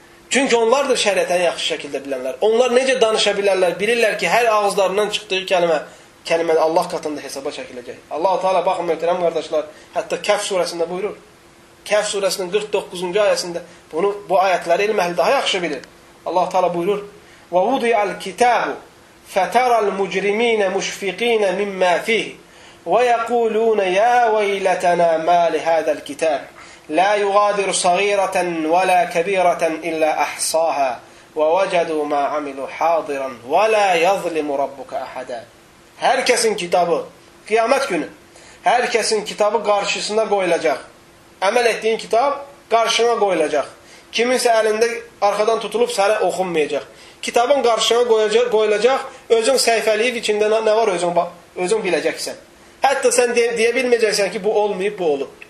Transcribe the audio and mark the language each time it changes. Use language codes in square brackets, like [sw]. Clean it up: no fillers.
[az] Çünki onlardır şəriətən yaxşı şəkildə bilənlər. Onlar necə danışa bilərlər? Bilirlər ki, hər ağızlarından çıxdığı kəlmə kəlimədə Allah qatında hesaba çəkiləcək. Allah-u Teala, baxın, möhtərəm qardaşlar, hətta Kəhf surəsində buyurur. Kəhf surəsinin 49-cu ayəsində bunu, bu ayətləri ilm əhli daha yaxşı bilir. Allah-u Teala buyurur, [ar] وَوُضِعَ الْكِتَابُ فَتَرَى الْمُجْرِمِينَ مُشْفِقِينَ مِمَّا فِيهِ وَيَقُولُونَ يَا وَيْلَتَنَا مَا لِهَذَا الْكِتَابِ لَا يُغَادِرُ صَغِيرَةً وَلَا كَبِيرَةً إِلَّا أَحْصَاهَا وَوَجَدُوا مَا عَمِلُوا حَاضِرًا وَلَا يَظْلِمُ رَبُّكَ أَحَدًا [tr] Herkesin kitabı, kıyamet günü, herkesin kitabı karşısına koyulacak. [az] Əməl etdiyin kitab karşına koyulacak. Kiminsə əlində arxadan tutulub sənə oxunmayacaq. Kitabın qarşına qoyulacaq, özün səhifəliyib içində nə var özün biləcəksən. Hətta sən deyə bilməyəcəksən ki, bu olmayıb, bu olub.